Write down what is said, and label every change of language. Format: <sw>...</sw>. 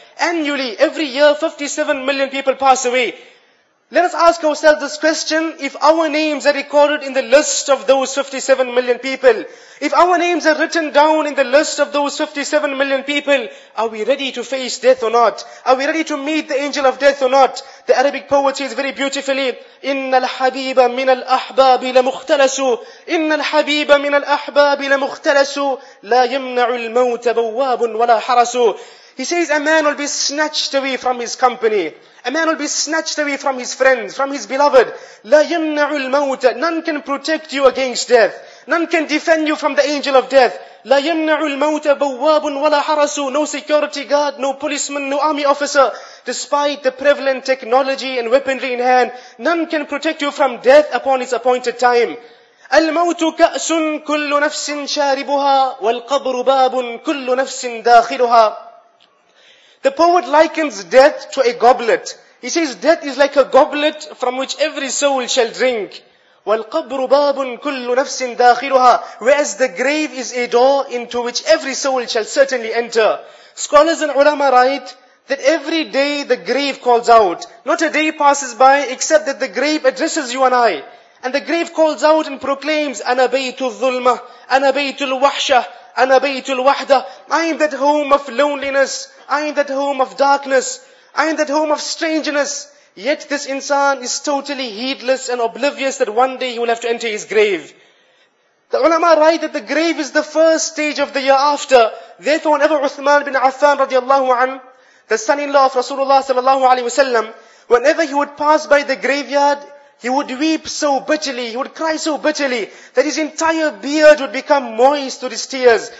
<en>Annually, every year, 57 million people pass away. Let us ask ourselves this question: if our names are recorded in the list of those 57 million people, if our names are written down in the list of those 57 million people, are we ready to face death or not? Are we ready to meet the angel of death or not? The Arabic poet says very beautifully,</en> <ar>إِنَّ الْحَبِيبَ مِنَ الْأَحْبَابِ لَمُخْتَلَسُ إِنَّ الْحَبِيبَ مِنَ الْأَحْبَابِ لَمُخْتَلَسُ لَا يَمْنَعُ الْمَوْتَ بَوَّابٌ وَلَا حَرَسُ.</ar> <en>He says a man will be snatched away from his company. A man will be snatched away from his friends, from his beloved.</en> <ar>لَا يَمْنَعُ الْمَوْتَ.</ar> <en>None can protect you against death. None can defend you from the angel of death.</en> <ar>لَا يَمْنَعُ الْمَوْتَ بَوَّابٌ وَلَا حَرَسُ.</ar> <en>No security guard, no policeman, no army officer. Despite the prevalent technology and weaponry in hand, none can protect you from death upon its appointed time.</en> <ar>الْمَوْتُ كَأْسٌ كُلُّ نَفْسٍ شَارِبُهَا وَالْقَبْرُ بَابٌ كُلُّ نَفْسٍ دَاخِلُهَا.</ar> <en>The poet likens death to a goblet. He says death is like a goblet from which every soul shall drink.</en> <ar>وَالْقَبْرُ بَابٌ كُلُّ نَفْسٍ دَاخِلُهَا.</ar> <en>Whereas the grave is a door into which every soul shall certainly enter. Scholars and ulama write that every day the grave calls out. Not a day passes by except that the grave addresses you and I. And the grave calls out and proclaims,</en> <ar>أَنَا بَيْتُ الظُّلْمَةِ أَنَا بَيْتُ الْوَحْشَةِ أَنَا بَيْتُ الْوَحْدَةِ.</ar> <en>I am that home of loneliness. I am that home of darkness. I am that home of strangeness. Yet this insan is totally heedless and oblivious that one day he will have to enter his grave. The ulama write that the grave is the first stage of the year after. Therefore, whenever Uthman bin Affan radiallahu anhu, the son-in-law of Rasulullah sallallahu alayhi wasallam, whenever he would pass by the graveyard, he would weep so bitterly, he would cry so bitterly, that his entire beard would become moist with his tears.</en>